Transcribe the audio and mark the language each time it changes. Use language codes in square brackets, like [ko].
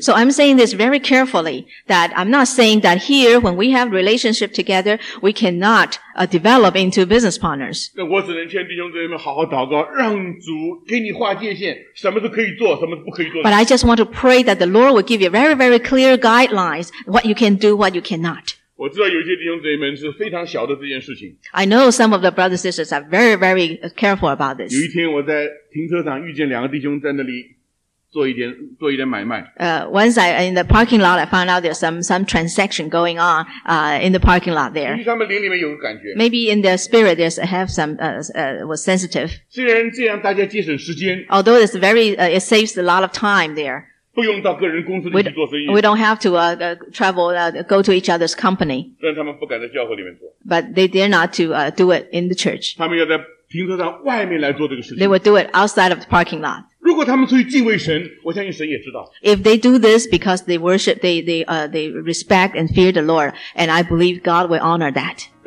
[en] So I'm saying this very carefully that I'm not saying that here when we have relationship together, we cannot develop into business partners. [zh] 那我只能劝弟兄姊妹们好好祷告，让主给你划界限，什么是可以做，什么是不可以做的。 [en] But I just want to pray that the Lord will give you very, very clear guidelines, what you can do, what you cannot. [zh] 我知道有些弟兄姊妹们是非常小的这件事情。 [en] I know some of the brothers and sisters are very, very careful about this. [zh] 有一天我在停车场遇见两个弟兄在那里做一点买卖。 [en] Once I in the parking lot, I found out there's some transaction going on in the parking lot there. [zh] 他们灵里面有感觉。 [en] Maybe in their spirit, there's have some was sensitive. [zh] 既然这样，大家节省时间。 [en] Although it's very, it saves a lot of time there. [zh] 不用到个人公司里去做生意。 [en] We don't have to travel, go to each other's company. [zh] 但他们不敢在教会里面做。 [en] But they dare not to do it in the church. [zh] 他们要在停车场外面来做这个事情。 [en] They would do it outside of the parking lot. [zh] 如果他们出于敬畏神, 我相信神也知道。 [en] If they do this because they worship, they respect and fear the Lord, and I believe God will honor that.